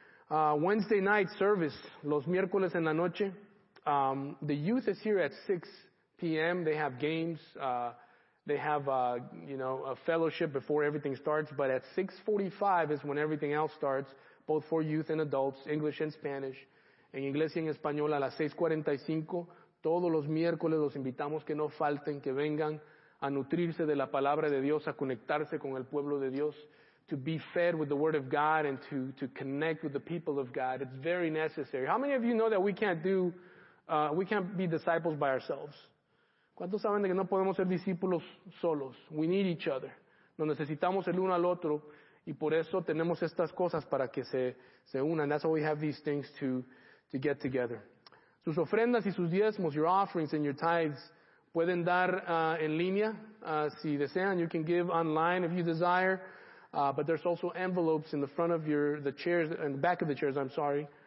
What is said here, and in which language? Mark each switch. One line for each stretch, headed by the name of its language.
English: Wednesday night service,
Spanish: los miércoles en la noche.
English: The youth is here at 6 p.m. They have games. They have, a fellowship before everything starts. But at 6:45 is when everything else starts, both for youth and adults, English and Spanish.
Spanish: En inglés y en español, a las 6:45, todos los miércoles los invitamos que no falten, que vengan a nutrirse de la palabra de Dios, a conectarse con el pueblo de Dios.
English: To be fed with the Word of God and to connect with the people of God. It's very necessary. How many of you know that we can't be disciples by ourselves?
Spanish: ¿Cuántos saben de que no podemos ser discípulos solos?
English: We need each other.
Spanish: Nos necesitamos el uno al otro. Y por eso tenemos estas cosas para que se unan.
English: That's why we have these things to get together.
Spanish: Sus ofrendas y sus diezmos,
English: your offerings and your tithes,
Spanish: pueden dar en línea si desean.
English: You can give online if you desire. But there's also envelopes in the front of the chairs, in the back of the chairs, I'm sorry.